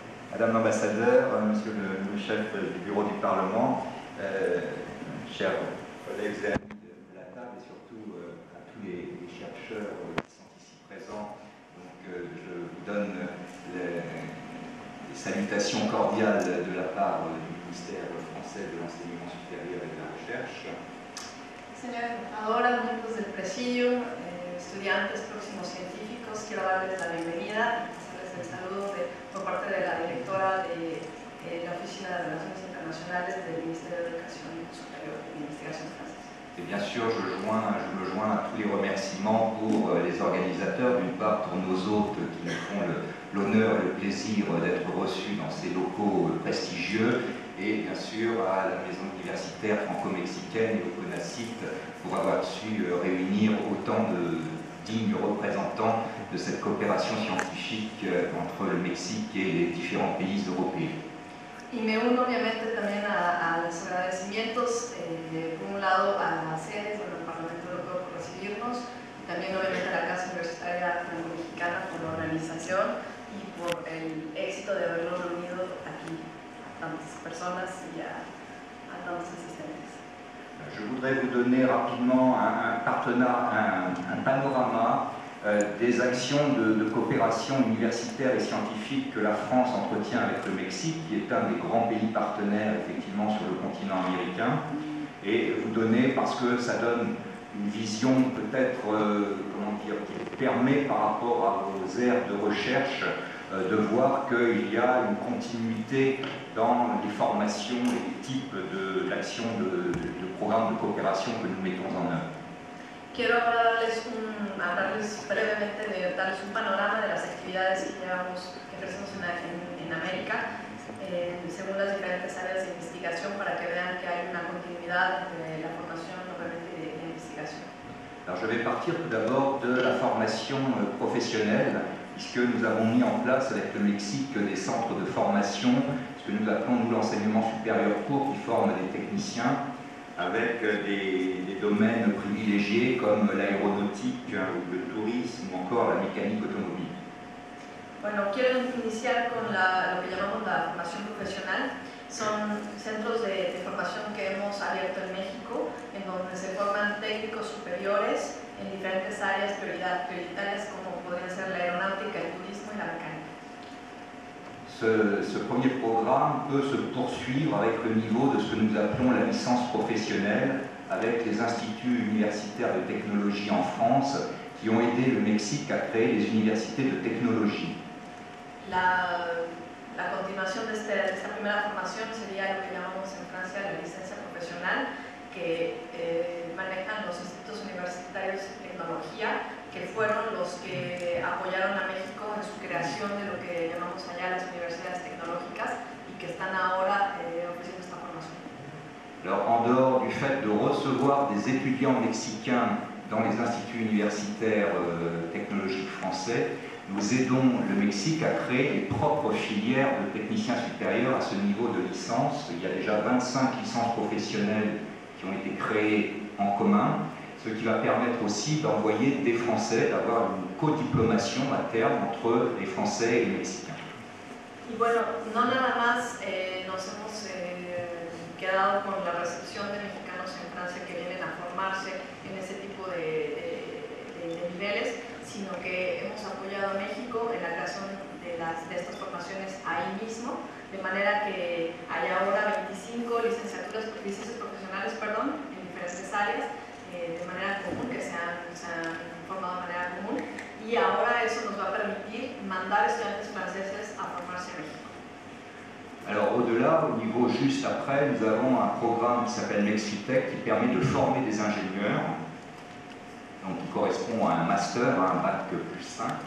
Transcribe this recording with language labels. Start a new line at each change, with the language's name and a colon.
French: Madame l'ambassadeur, monsieur le chef du bureau du Parlement, chers collègues et amis de la table, et surtout à tous les chercheurs qui sont ici présents, donc, je vous donne les salutations cordiales de la part du ministère français de l'enseignement supérieur et de la recherche.
Spanish: Señor, ahora miembros del presidio, estudiantes, próximos científicos, quiero darles la bienvenida y hacerles el saludo por parte de la directora de la Oficina de Relaciones Internacionales del Ministerio de Educación Superior y Investigación Francesa.
French: Et bien sûr, je me joins à tous les remerciements pour les organisateurs, d'une part pour nos hôtes qui nous font l'honneur et le plaisir d'être reçus dans ces locaux prestigieux, et bien sûr à la Maison Universitaire Franco-Mexicaine et au CONACYT pour avoir su réunir autant de dignes représentants de cette coopération scientifique entre le Mexique et les différents pays européens.
Spanish: Y me uno obviamente también a los agradecimientos, por un lado a la sede, bueno, al Parlamento Europeo por recibirnos, y también obviamente a la Casa Universitaria Franco-Mexicana por la organización y por el éxito de haberlo reunido aquí a tantas personas y a tantos asistentes.
French: Je voudrais vous donner rapidement un panorama des actions de coopération universitaire et scientifique que la France entretient avec le Mexique, qui est un des grands pays partenaires effectivement sur le continent américain, et vous donner, parce que ça donne une vision peut-être, comment dire, qui permet par rapport à vos aires de recherche de voir qu'il y a une continuité dans les formations et les types d'actions de programmes de coopération que nous mettons en œuvre.
Spanish: Quiero hablarles brevemente, darles un panorama de las actividades que llevamos, que ofrecemos en América, según las diferentes áreas de investigación, para que vean que hay una continuidad entre la formación obviamente y la investigación.
French: Alors je vais partir tout d'abord de la formation professionnelle, puisque nous avons mis en place avec le Mexique des centres de formation, ce que nous appelons nous l'enseignement supérieur court, qui forme des techniciens, avec des domaines privilégiés comme l'aéronautique, ou le tourisme, ou encore la mécanique automobile.
Spanish: Bueno, quiero iniciar con lo que llamamos la formación profesional. Son centros de formación que hemos abierto en México, en donde se forman técnicos superiores en diferentes áreas prioritarias, como podrían ser la aeronáutica, el turismo y la mécanica.
French: Ce premier programme peut se poursuivre avec le niveau de ce que nous appelons la licence professionnelle avec les instituts universitaires de technologie en France qui ont aidé le Mexique à créer les universités de technologie. La continuation de cette première formation
Spanish: sería lo que llamamos en Francia la licencia profesional que manejan los institutos universitarios de tecnología que fueron los que apoyaron a México en su creación de lo que llamamos allá las universidades tecnológicas y que están ahora ofreciendo esta formación.
French: Alors, en dehors du fait de recevoir des étudiants mexicains dans les instituts universitaires technologiques français, nous aidons le Mexique à créer les propres filières de techniciens supérieurs à ce niveau de licence. Il y a déjà 25 licences professionnelles qui ont été créées en commun, ce qui va permettre aussi d'envoyer des Français, d'avoir une codiplomation à terme entre les Français et les Mexicains.
Spanish: Y bueno, no nada más nos hemos quedado con la recepción de mexicanos en Francia que vienen a formarse en ese tipo de niveles, sino que hemos apoyado a México en la creación de estas formaciones ahí mismo, de manera que hay ahora 25 licencias profesionales, en diferentes áreas, de manera común, que se han formado de manera común, y ahora eso nos va a permitir mandar estudiantes franceses a formarse en México.
French: Alors au-delà, au niveau juste après, nous avons un programme qui s'appelle Mexitec, qui permet de former des ingénieurs, donc qui correspond à un master, à un bac plus 5.